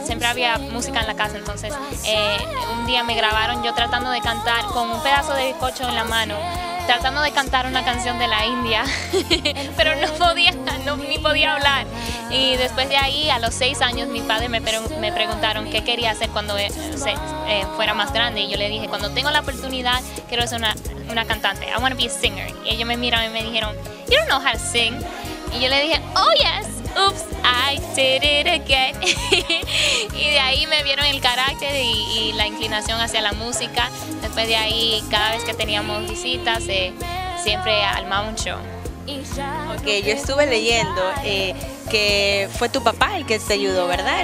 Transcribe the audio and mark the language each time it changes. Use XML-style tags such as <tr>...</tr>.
<es>Siempre había música en la casa, entonces un día me grabaron yo tratando de cantar con un pedazo de bizcocho en la mano, tratando de cantar una canción de la India, pero no podía hablar. Y después de ahí, a los 6 años, mi padre me preguntaron qué quería hacer cuando fuera más grande. Y yo le dije, cuando tengo la oportunidad, quiero ser una cantante.</es> <en>I want to be a singer.</en> <es>Y ellos me miraron y me dijeron,</es> <en>you don't know how to sing.</en> <es>Y yo le dije,</es> <en>oh yes, oops, I did it again.</en> <es>Y de ahí me vieron el carácter y la inclinación hacia la música. Después de ahí, cada vez que teníamos visitas, siempre armaba un show. Ok, yo estuve leyendo que fue tu papá el que te ayudó, ¿verdad?</es>